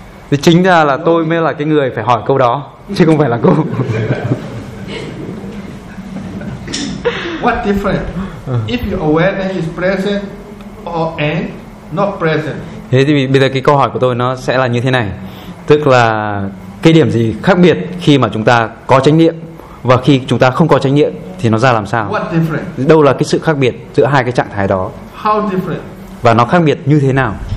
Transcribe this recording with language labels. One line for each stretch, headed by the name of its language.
Vietnamese: Thì chính ra là tôi mới là cái người phải hỏi câu đó chứ không phải là cô.
English: What different? If your awareness is present or and not present.
Vietnamese: Thế thì bây giờ cái câu hỏi của tôi nó sẽ là như thế này. Tức là cái điểm gì khác biệt khi mà chúng ta có chánh niệm và khi chúng ta không có chánh niệm thì nó ra làm sao?
English: What different?
Vietnamese: Đâu là cái sự khác biệt giữa hai cái trạng thái đó?
English: How different?
Vietnamese: Và nó khác biệt như thế nào?